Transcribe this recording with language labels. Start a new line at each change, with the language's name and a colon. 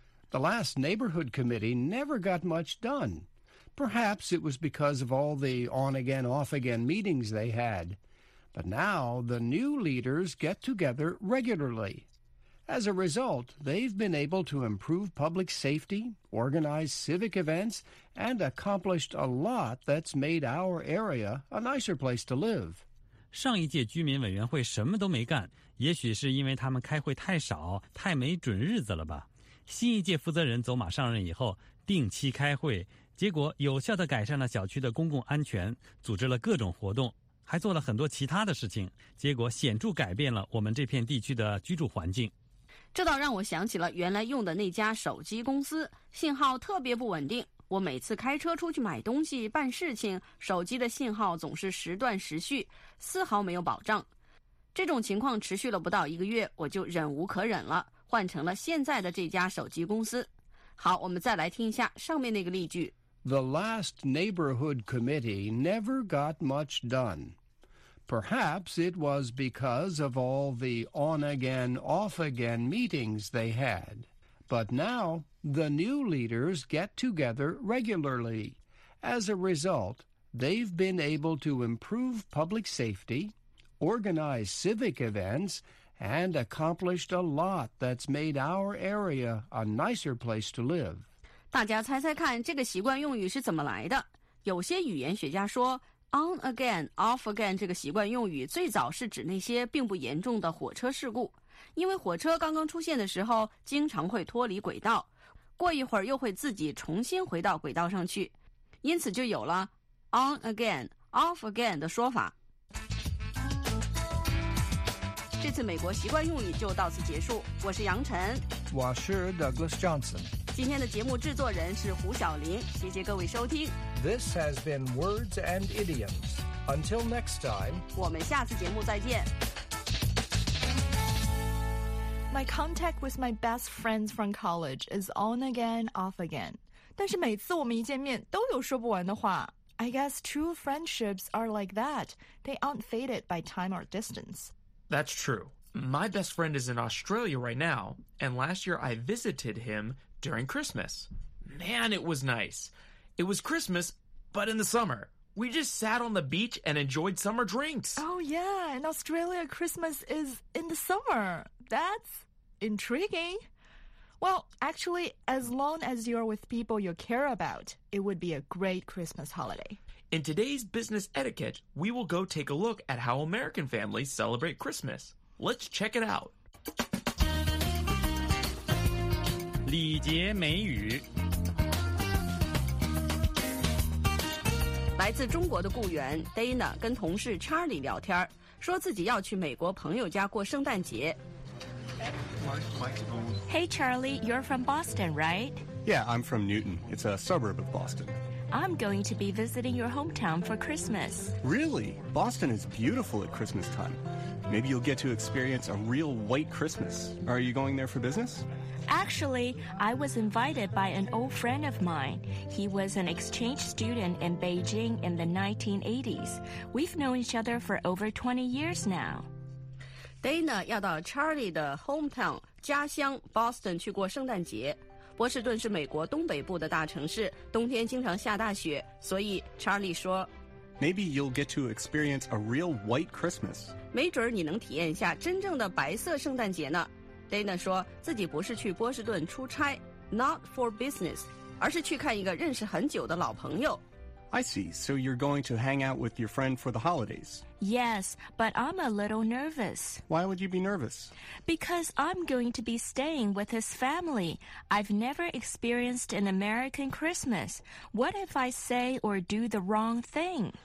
English: The last neighborhood committee never got much done. Perhaps it was because of all the on-again, off-again meetings they had. But now the new leaders get together regularly. As a result, they've been able to improve public safety, organize civic events, and accomplished a lot that's made our area a nicer place to live.
Chinese: 上一届居民委员会什么都没干，也许是因为他们开会太少，太没准日子了吧。新一届负责人走马上任以后，定期开会，结果有效地改善了小区的公共安全，组织了各种活动，还做了很多其他的事情，结果显著改变了我们这片地区的居住环境。这倒让我想起了原来用的那家手机公司，信号特别不稳定，我每次开车出去买东西办事情，手机的信号总是时断时续，丝毫没有保障。这种情况持续了不到一个月，我就忍无可忍了，换成了现在的这家手机公司。好，我们再来听一下上面那个例句。
English: The last neighborhood committee never got much done. Perhaps it was because of all the on-again, off-again meetings they had. But now, the new leaders get together regularly. As a result, they've been able to improve public safety, organize civic events, and accomplished a lot that's made our area a nicer place to live.
Chinese: 大家猜猜看这个习惯用语是怎么来的？有些语言学家说 on again, off again 这个习惯用语最早是指那些并不严重的火车事故，因为火车刚刚出现的时候经常会脱离轨道，过一会儿又会自己重新回到轨道上去，因此就有了 on again, off again 的说法。这次美国习惯用语就到此结束，我是杨晨，我是 Douglas Johnson，今天的节目制作人是胡晓玲，谢谢各位收听。
English: This has been Words and Idioms. Until next time，
Chinese: 我们下次节目再见。
English: My contact with my best friends from college is on again, off again.
Chinese: 但是每次我们一见面都有说不完的话。
English: I guess true friendships are like that. They aren't faded by time or distance. That's true. My best friend is in Australia right now, and last year I visited him during Christmas. Man, it was nice. It was Christmas, but in the summer. We just sat on the beach and enjoyed summer drinks. Oh, yeah. In Australia, Christmas is in the summer. That's intriguing. Well, actually, as long as you're with people you care about, it would be a great Christmas holiday. In today's business etiquette, we will go take a look at how American families celebrate Christmas. Let's check it out.
Chinese: 礼节美语来自中国的雇员 Dana 跟同事 Charlie 聊天，说自己要去美国朋友家过圣诞节。
English: Hey Charlie, you're from Boston, right? Yeah, I'm from Newton. It's a suburb of Boston. I'm going to be visiting your hometown for Christmas. Really? Boston is beautiful at Christmas time. Maybe you'll get to experience a real white Christmas. Are you going there for business? Actually, I was invited by an old friend of mine. He was an exchange student in Beijing in the 1980s. We've known each other for over 20 years now.
Chinese: Dana 要到 Charlie 的 hometown 家乡 Boston 去过圣诞节。波士顿是美国东北部的大城市，冬天经常下大雪，所以 Charlie 说
English: Maybe you'll get to experience a real white Christmas.
Chinese: 没准你能体验一下真正的白色圣诞节呢。Dana 说自己不是去波士顿出差
English: not for business,
Chinese: 而是去看一个认识很久的老朋友。
English: I see, so you're going to hang out with your friend for the holidays. Yes, but I'm a little nervous. Why would you be nervous? Because I'm going to be staying with his family. I've never experienced an American Christmas. What if I say or do the wrong thing?